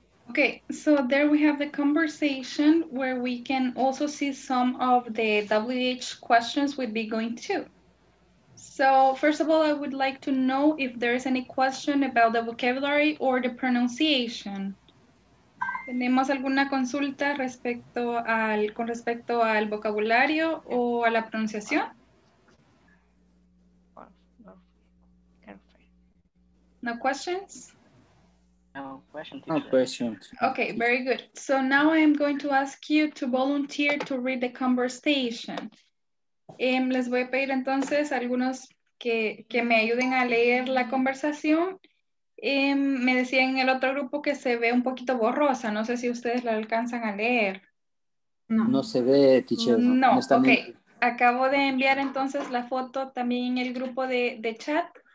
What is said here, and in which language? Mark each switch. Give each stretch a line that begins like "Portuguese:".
English: Okay, so there we have the conversation where we can also see some of the WH questions we'd be going to. So first of all, I would like to know if there is any question about the vocabulary or the pronunciation.
Spanish: ¿Tenemos alguna consulta respecto al, con respecto al vocabulario o a la pronunciación?
English: No questions? No questions. Okay, very good. So now I am going to ask you to volunteer to read the conversation.
Spanish: Les voy a pedir entonces a algunos que me ayuden a leer la conversación. Me decía en el otro grupo que se ve un poquito borrosa. No sé si ustedes la alcanzan a leer. No, no se ve, teacher. No, no está ok. Bien. Acabo de enviar entonces la foto también en el grupo de chat.